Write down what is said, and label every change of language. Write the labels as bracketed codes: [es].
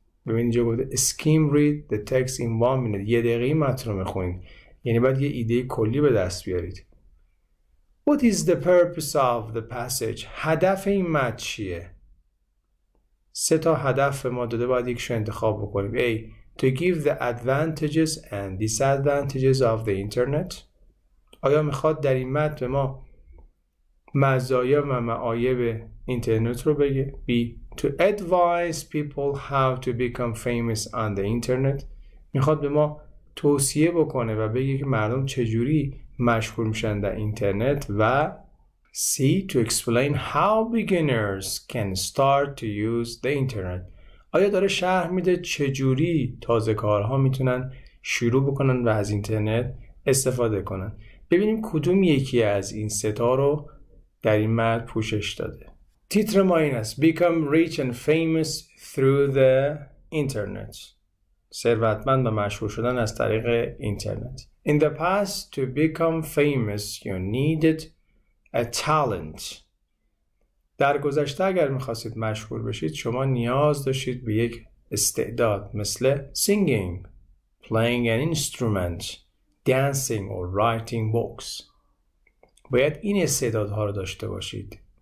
[fa] ببینید جو بوده [en] skim read the text in 1 minute, [fa] یه دقیقه متن رو میخونید, یعنی باید یه ایده کلی به دست بیارید. [en] What is the purpose of the passage? [fa] هدف این متن چیه؟ سه تا هدف ما داده, باید یکشو انتخاب بکنیم. [en] A. To give the advantages and disadvantages of the internet. [fa] آیا میخواد در این متن به ما مزایا و معایب اینترنت رو بگه؟ B. [en] To advise people how to become famous on the internet. [fa] میخواد به ما توصیه بکنه و بگه که مردم چجوری مشهور میشن در اینترنت. [en] و C. To explain how beginners can start to use the internet. [fa] آیا داره شرح میده چجوری تازه کارها میتونن شروع بکنن و از اینترنت استفاده کنن. ببینیم کدوم یکی از این ستا رو در این متن پوشش داده. تیتر ما این است: [en] Become rich and famous through the internet. [fa] ثروتمند و مشهور شدن از طریق اینترنت. [en] In the past, to become famous, you needed a talent. [fa] در گذشته اگر میخواستید مشهور بشید, شما نیاز داشتید به یک استعداد, مثل [en] singing, playing an instrument, dancing or writing books. [fa] باید این استعدادها رو داشته باشید.